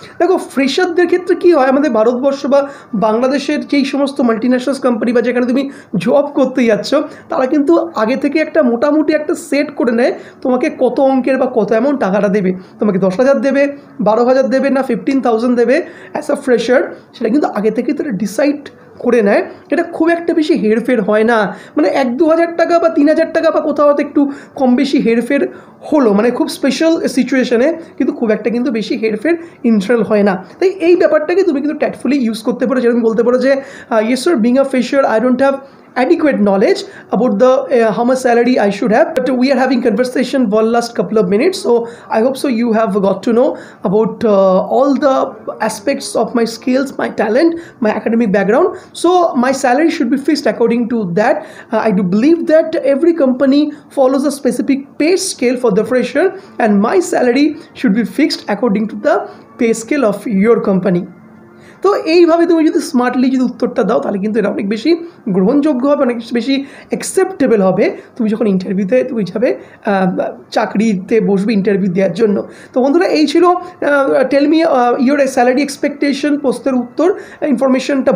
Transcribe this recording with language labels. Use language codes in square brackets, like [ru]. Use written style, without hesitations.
[bn] দেখো ফ্রেশারদের ক্ষেত্রে কী হয়, আমাদের ভারতবর্ষ বা বাংলাদেশের যেই সমস্ত মাল্টি ন্যাশনাল কোম্পানি বা যেখানে তুমি জব করতে যাচ্ছ তারা কিন্তু আগে থেকে একটা মোটামুটি একটা সেট করে নেয় তোমাকে কত অঙ্কের বা কত অ্যামাউন্ট টাকাটা দেবে, তোমাকে 10,000 দেবে, 12,000 দেবে না 15,000 দেবে অ্যাজ আ ফ্রেশার, সেটা কিন্তু আগে থেকে তারা ডিসাইড করে নেয়। এটা খুব একটা বেশি হেরফের হয় না, মানে 1-2,000 টাকা বা 3,000 টাকা বা কোথাও হয়তো একটু কম বেশি হেরফের হলো, মানে খুব স্পেশাল সিচুয়েশনে, কিন্তু খুব একটা কিন্তু বেশি হেরফের ইন্টারনাল হয় না। তাই এই ব্যাপারটাকে তুমি কিন্তু ট্যাটফুলি ইউজ করতে পারো, যেরকম বলতে পারো যে [en] Yes sir, being a fresher I don't have adequate knowledge about the how much salary I should have, but we are having conversation for last couple of minutes, so I hope so you have got to know about all the aspects of my skills, my talent, my academic background, so my salary should be fixed according to that. I do believe that every company follows a specific pay scale for the fresher, and my salary should be fixed according to the pay scale of your company. [bn] তো এইভাবে তুমি যদি smartly যদি উত্তরটা দাও তাহলে কিন্তু এটা অনেক বেশি গ্রহণযোগ্য হবে, অনেক বেশি অ্যাকসেপ্টেবল হবে, তুমি যখন ইন্টারভিউতে তুমি যাবে চাকরিতে বসবে ইন্টারভিউ দেওয়ার জন্য। তো বন্ধুরা এই ছিল tell me your salary expectation পোস্টের উত্তর ইনফরমেশনটা।